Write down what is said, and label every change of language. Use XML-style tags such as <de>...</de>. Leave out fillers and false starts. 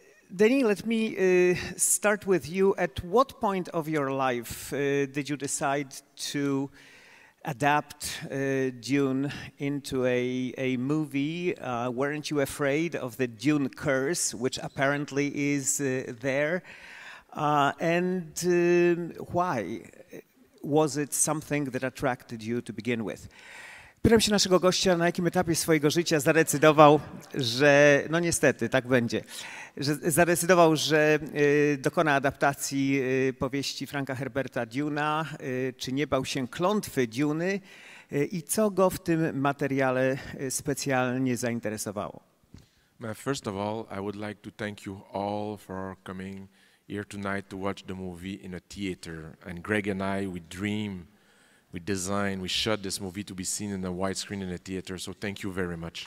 <en>Denis, let me start with you. At what point of your life did you decide to adapt Dune into a movie? Weren't you afraid of the Dune curse, which apparently is there? And why was it something that attracted you to begin with?</en> <pl>Pytam się naszego gościa, na jakim etapie swojego życia zadecydował, że, no niestety, tak będzie, że zadecydował, że dokona adaptacji powieści Franka Herberta Duna, czy nie bał się klątwy Duny i co go w tym materiale specjalnie zainteresowało.</pl> <en>First of all, I would like to thank you all for coming here tonight to watch the movie in a theater. And Greig and I, we dream. We designed, we shot this movie to be seen in a widescreen in a theater, so thank you very much.</en>